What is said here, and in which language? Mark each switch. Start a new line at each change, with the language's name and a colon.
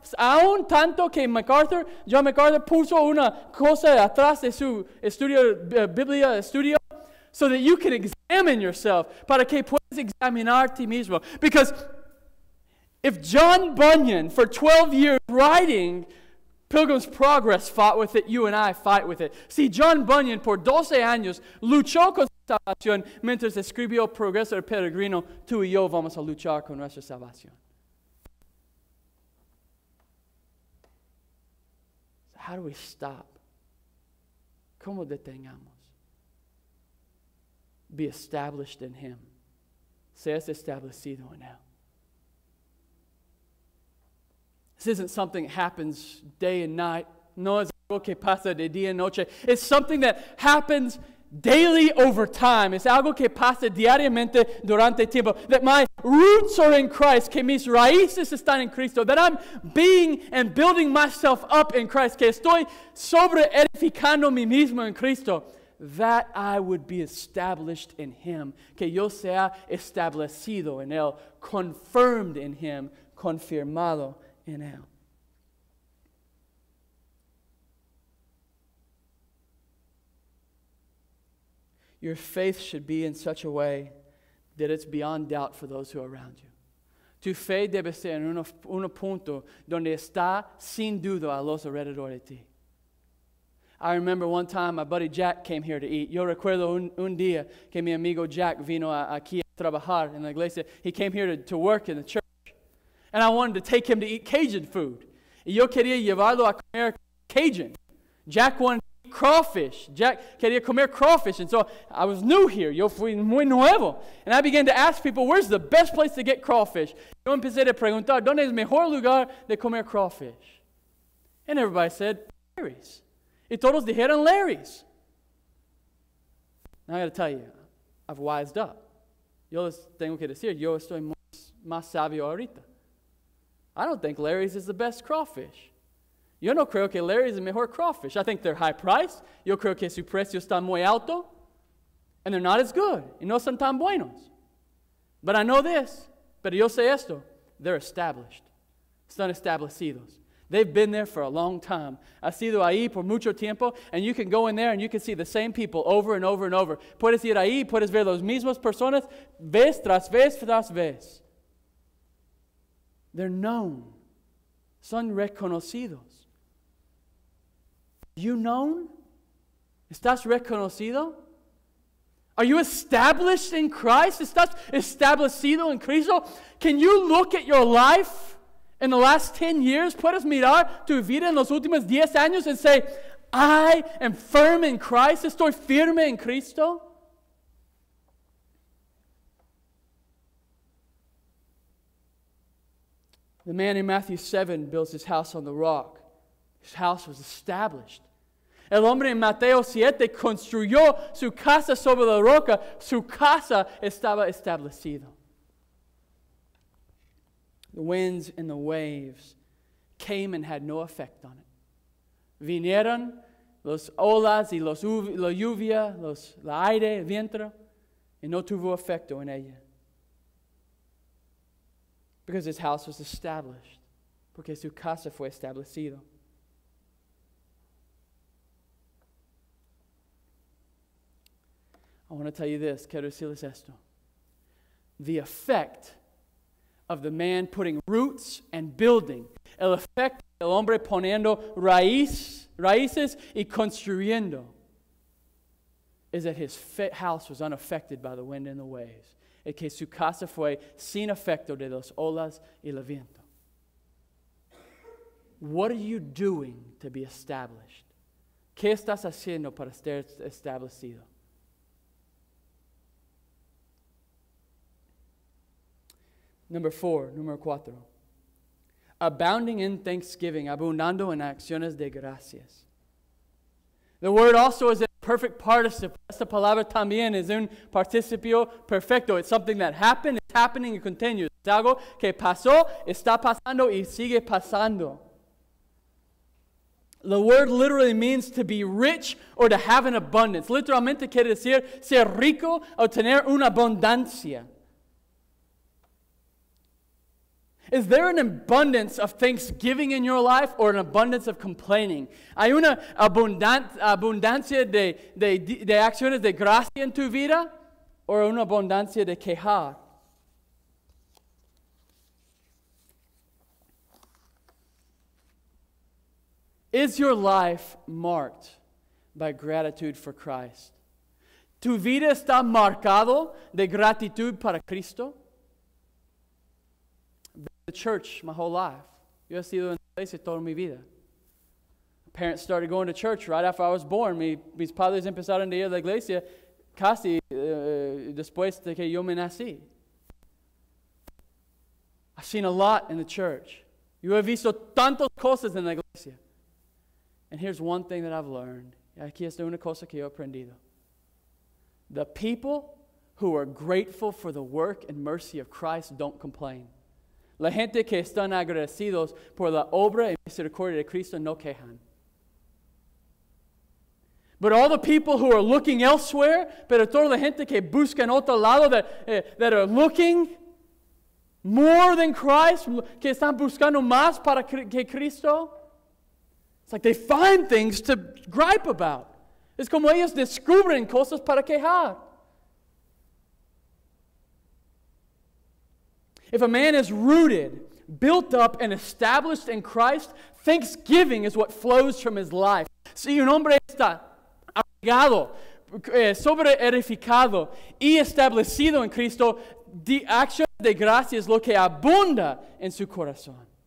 Spanish: Aún tanto que John MacArthur puso una cosa atrás de su estudio, Biblia estudio,
English: so that you can examine yourself.
Spanish: Para que puedas examinar ti mismo.
English: Because if John Bunyan, for 12 years writing Pilgrim's Progress, fought with it, you and I fight with it.
Spanish: See, John Bunyan, por 12 años, luchó con su salvación mientras escribió Progreso del Peregrino, tú y yo vamos a luchar con nuestra salvación.
English: So how do we stop?
Spanish: ¿Cómo detengamos?
English: Be established in Him.
Spanish: Seas establecido en Él.
English: This isn't something that happens day and night.
Spanish: No es algo que pasa de día y noche.
English: It's something that happens daily over time.
Spanish: Es algo que pasa diariamente durante tiempo.
English: That my roots are in Christ.
Spanish: Que mis raíces están en Cristo.
English: That I'm being and building myself up in Christ.
Spanish: Que estoy sobre edificando mi mismo en Cristo.
English: That I would be established in Him.
Spanish: Que yo sea establecido en Él.
English: Confirmed in Him. Confirmado. In Him. Your faith should be in such a way that it's beyond doubt for those who are around you.
Spanish: Tu fe debe ser en un punto donde está sin duda a los alrededor de ti.
English: I remember one time my buddy Jack came here to eat.
Spanish: Yo recuerdo un día que mi amigo Jack vino aquí a trabajar en la iglesia.
English: He came here to work in the church. And I wanted to take him to eat Cajun food.
Spanish: Yo quería llevarlo a comer Cajun.
English: Jack wanted to eat crawfish.
Spanish: Jack quería comer crawfish.
English: And so I was new here.
Spanish: Yo fui muy nuevo.
English: And I began to ask people, where's the best place to get crawfish?
Spanish: Yo empecé a preguntar, ¿dónde es el mejor lugar de comer crawfish?
English: And everybody said, Larry's.
Spanish: Y todos dijeron Larry's.
English: Now I got to tell you, I've wised up.
Spanish: Yo les tengo que decir, yo estoy más sabio ahorita.
English: I don't think Larry's is the best crawfish.
Spanish: Yo no creo que Larry's es el mejor crawfish.
English: I think they're high priced.
Spanish: Yo creo que su precio está muy alto.
English: And they're not as good.
Spanish: Y no son tan buenos.
English: But I know this.
Spanish: Pero yo sé esto.
English: They're established.
Spanish: Están establecidos.
English: They've been there for a long time.
Spanish: Ha sido ahí por mucho tiempo.
English: And you can go in there and you can see the same people over and over and over.
Spanish: Puedes ir ahí, puedes ver las mismas personas vez tras vez tras vez.
English: They're known.
Spanish: Son reconocidos.
English: Are you known?
Spanish: ¿Estás reconocido?
English: Are you established in Christ?
Spanish: ¿Estás establecido en Cristo?
English: Can you look at your life in the last 10 years?
Spanish: ¿Puedes mirar tu vida en los últimos 10 años
English: and say, I am firm in Christ?
Spanish: ¿Estoy firme en Cristo?
English: The man in Matthew 7 builds his house on the rock. His house was established.
Spanish: El hombre en Mateo 7 construyó su casa sobre la roca. Su casa estaba establecido.
English: The winds and the waves came and had no effect on it.
Spanish: Vinieron los olas y la lluvia, el aire, el viento, y no tuvo efecto en ella.
English: Because his house was established.
Spanish: Porque su casa fue establecido.
English: I want to tell you this,
Spanish: quiero decirles esto.
English: The effect of the man putting roots and building,
Spanish: el efecto del hombre poniendo raíces y construyendo,
English: is that his house was unaffected by the wind and the waves.
Spanish: Es que su casa fue sin efecto de las olas y el viento.
English: What are you doing to be established?
Spanish: ¿Qué estás haciendo para estar establecido? Número cuatro.
English: Abounding in thanksgiving,
Spanish: abundando en acciones de gracias.
English: The word also is a perfect participle.
Spanish: Esta palabra también es un participio perfecto.
English: It's something that happened, it's happening, and continues.
Spanish: Es algo que pasó, está pasando, y sigue pasando.
English: The word literally means to be rich or to have an abundance.
Spanish: Literalmente quiere decir ser rico o tener una abundancia.
English: Is there an abundance of thanksgiving in your life or an abundance of complaining?
Spanish: ¿Hay una abundancia de acciones de gracia en tu vida o una abundancia de queja?
English: Is your life marked by gratitude for Christ?
Spanish: ¿Tu vida está marcado de gratitud para Cristo?
English: The church my whole life.
Spanish: Yo he sido en la iglesia toda mi vida.
English: Parents started going to church right after I was born.
Spanish: Mis padres empezaron a ir a la iglesia casi después de que yo me nací.
English: I've seen a lot in the church.
Spanish: Yo he visto tantas cosas en la iglesia.
English: And here's one thing that I've learned.
Spanish: Aquí es una cosa que yo he aprendido.
English: The people who are grateful for the work and mercy of Christ don't complain.
Spanish: La gente que están agradecidos por la obra y misericordia de Cristo no quejan.
English: But all the people who are looking elsewhere,
Spanish: pero toda la gente que busca en otro lado
English: that are looking more than Christ,
Spanish: que están buscando más para que Cristo,
English: it's like they find things to gripe about.
Spanish: Es como ellos descubren cosas para quejar.
English: If a man is rooted, built up, and established in Christ, thanksgiving is what flows from his life.
Spanish: Si un hombre está arraigado, sobre edificado, y establecido en Cristo, de acción de gracia es lo que abunda en su corazón.